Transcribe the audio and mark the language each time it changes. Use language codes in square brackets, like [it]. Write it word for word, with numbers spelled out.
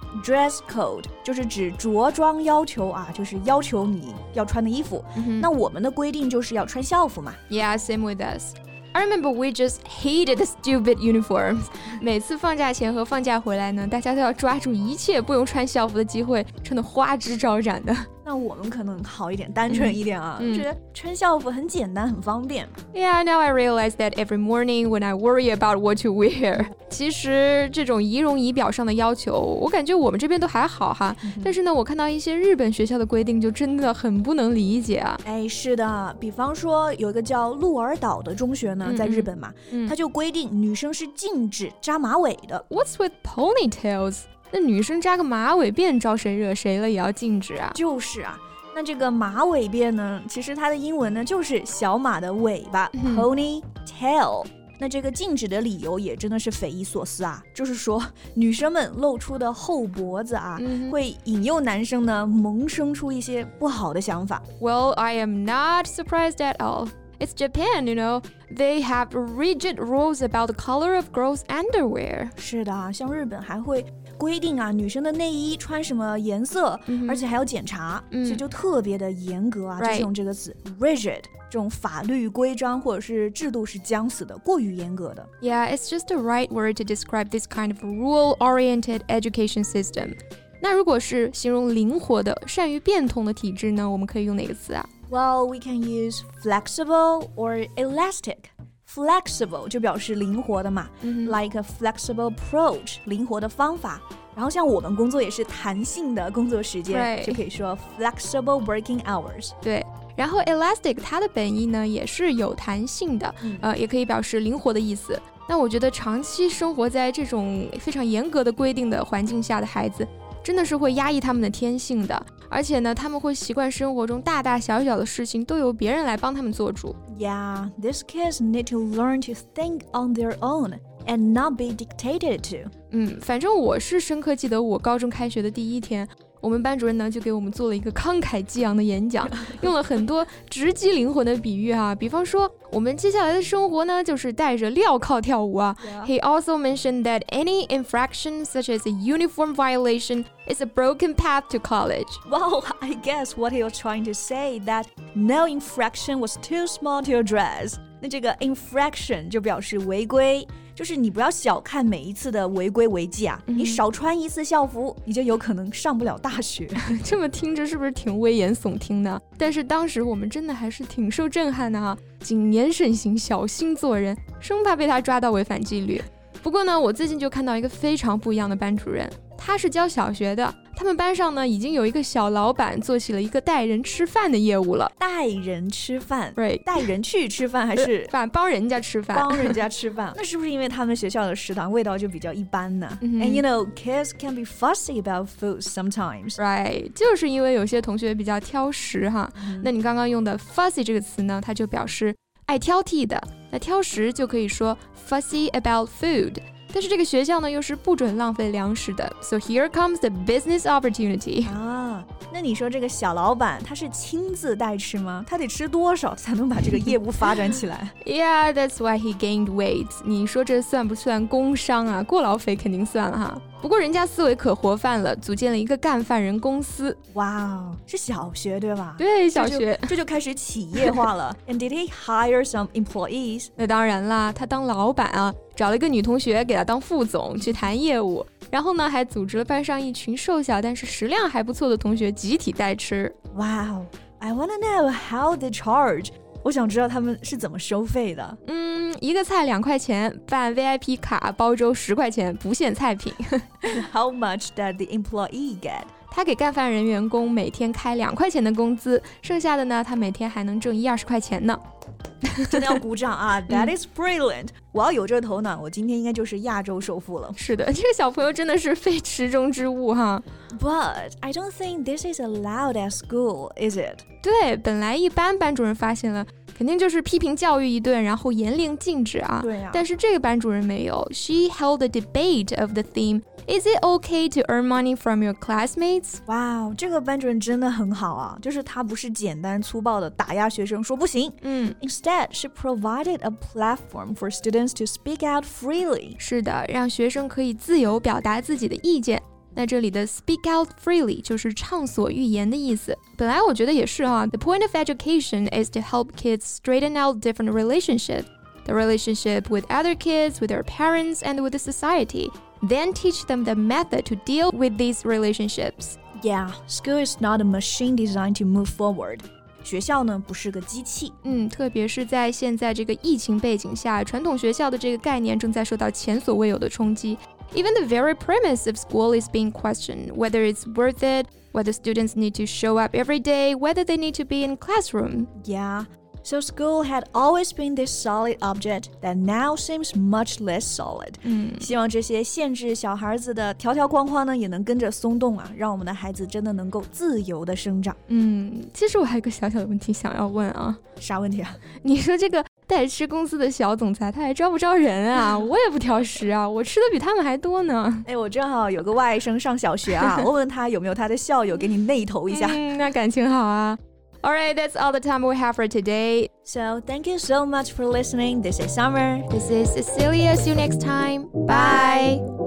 [zh] Dress code 就是指着装要求啊，就是要求你要穿的衣服。那我们的规定就是要穿校服嘛。 [en] Yeah, same with us. I remember we just hated the stupid uniforms. [zh] 每次放假前和放假回来呢，大家都要抓住一切不用穿校服的机会，穿得花枝招展的。那我们可能好一点，单纯一点啊，觉得穿校服很简单，很方便。 [en] Yeah, now I realize that every morning when I worry about what to wear. [zh] 其实这种仪容仪表上的要求，我感觉我们这边都还好哈。但是呢，我看到一些日本学校的规定，就真的很不能理解啊。哎，是的，比方说有一个叫鹿儿岛的中学呢。在日本嘛、嗯嗯、它就规定女生是禁止扎马尾的 [en] What's with ponytails? [zh] 那女生扎个马尾辫招谁惹谁了也要禁止啊就是啊那这个马尾辫呢其实它的英文呢就是小马的尾巴、嗯、ponytail 那这个禁止的理由也真的是匪夷所思啊就是说女生们露出的后脖子啊、嗯、会引诱男生呢萌生出一些不好的想法 [en] Well, I am not surprised at all. It's Japan, you know. They have rigid rules about the color of girls' underwear. [zh] 是的，像日本还会规定啊，女生的内衣穿什么颜色， mm-hmm. 而且还要检查， mm-hmm. 所以就特别的严格啊。Right. 就是用这个词 rigid， 这种法律规章或者是制度是僵死的，过于严格的。 [en] Yeah, it's just the right word to describe this kind of rule-oriented education system. [zh] 那如果是形容灵活的、善于变通的体制呢，我们可以用哪个词啊？ [en] Well, we can use flexible or elastic. [zh] Flexible 就表示灵活的嘛、mm-hmm. [en] Like a flexible approach, [zh] 灵活的方法。然后像我们工作也是弹性的工作时间、 [en] right. [zh] 就可以说 flexible working hours. 对，然后 elastic 它的本意呢也是有弹性的、mm. 呃，也可以表示灵活的意思。那我觉得长期生活在这种非常严格的规定的环境下的孩子真的是会压抑他们的天性的而且呢他们会习惯生活中大大小小的事情都由别人来帮他们做主 [en] Yeah, these kids need to learn to think on their own and not be dictated to [zh] 嗯，反正我是深刻记得我高中开学的第一天我们班主任呢就给我们做了一个慷慨激昂的演讲，用了很多直击灵魂的比喻啊，比方说我们接下来的生活呢就是带着镣铐跳舞啊。 [en] Yeah. He also mentioned that any infraction such as a uniform violation is a broken path to college. Wow, I guess what he was trying to say that no infraction was too small to address. [zh] 那这个 infraction 就表示违规，就是你不要小看每一次的违规违纪啊，你少穿一次校服，你就有可能上不了大学。这么听着是不是挺危言耸听的？但是当时我们真的还是挺受震撼的啊！谨言慎行，小心做人，生怕被他抓到违反纪律。不过呢，我最近就看到一个非常不一样的班主任，他是教小学的，他们班上呢已经有一个小老板做起了一个带人吃饭的业务了。带人吃饭，对，带人去吃饭还是反帮人家吃饭？帮人家吃饭，那是不是因为他们学校的食堂味道就比较一般呢？ [en] And you know, kids can be fussy about food sometimes. [zh] Right， 就是因为有些同学比较挑食哈。那你刚刚用的 fussy 这个词呢，它就表示爱挑剔的。那挑食就可以说 fussy about food。但是这个学校呢又是不准浪费粮食的 [en] So here comes the business opportunity [zh] 啊，那你说这个小老板他是亲自带吃吗？他得吃多少才能把这个业务发展起来 [en] Yeah, that's why he gained weight [zh] 你说这算不算工伤啊？过劳肥肯定算了哈。不过人家思维可活泛了，组建了一个干饭人公司。哇、wow, 是小学对吧？对，小学这 就, 就开始企业化了 [en] And did he hire some employees? [zh] 那当然啦，他当老板啊，找了一个女同学给她当副总去谈业务，然后呢还组织了班上一群瘦小但是食量还不错的同学集体带吃。 [en] Wow, I want to know how they charge. [zh] 我想知道他们是怎么收费的。嗯，一个菜两块钱，办 V I P 卡包粥十块钱，不限菜品 [en] How much did the employee get? [zh] 他给干饭人员工每天开两块钱的工资，剩下的呢他每天还能挣一二十块钱呢真的要鼓掌啊 [en] That is brilliant、 [zh] 嗯、我要有这头脑，我今天应该就是亚洲首富了。是的，这个小朋友真的是非池中之物哈。 [en] But I don't think this is allowed at school, is it? [zh] 对，本来一般班主任发现了肯定就是批评教育一顿，然后严令禁止啊。对啊，但是这个班主任没有。 [en] She held a debate of the theme, Is it okay to earn money from your classmates? [zh] 哇、wow, 这个班主任真的很好啊，就是他不是简单粗暴的打压学生说不行。嗯 [en] Instead, she provided a platform for students to speak out freely. [zh] 是的，让学生可以自由表达自己的意见。那这里的 speak out freely 就是畅所欲言的意思。本来我觉得也是哈 [en] The point of education is to help kids straighten out different relationships. The relationship with other kids, with their parents, and with the society. Then teach them the method to deal with these relationships. Yeah, school is not a machine designed to move forward. [zh] 学校呢不是个机器。嗯，特别是在现在这个疫情背景下，传统学校的这个概念正在受到前所未有的冲击。 [en] Even the very premise of school is being questioned, whether it's worth it, whether students need to show up every day, whether they need to be in classroom. Yeah, so school had always been this solid object that now seems much less solid. [zh] 嗯，希望这些限制小孩子的条条框框呢也能跟着松动啊，让我们的孩子真的能够自由的生长。嗯，其实我还有个小小的问题想要问啊。啥问题啊？你说这个带吃公司的小总裁他还招不招人啊？我也不挑食啊，我吃的比他们还多呢。哎，我正好有个外甥上小学啊，我问他有没有他的校友给你内投一下、嗯、那感情好啊。 [en] Alright, that's all the time we have for today. So thank you so much for listening. This is Summer. This is Cecilia. See you next time. Bye. Bye.